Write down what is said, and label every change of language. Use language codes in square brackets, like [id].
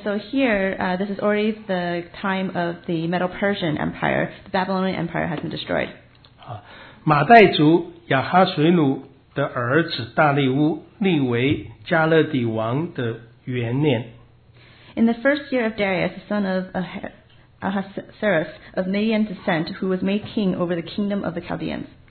[en] so here, this is already the time of the Medo-Persian Empire. The Babylonian Empire has been destroyed. [zh] 马代族亚哈水努的儿子大利乌立为加勒底王的元年。 [en] In the first year of Darius, the son of Ahasuerus of Median descent, who was made king over the kingdom of the Chaldeans.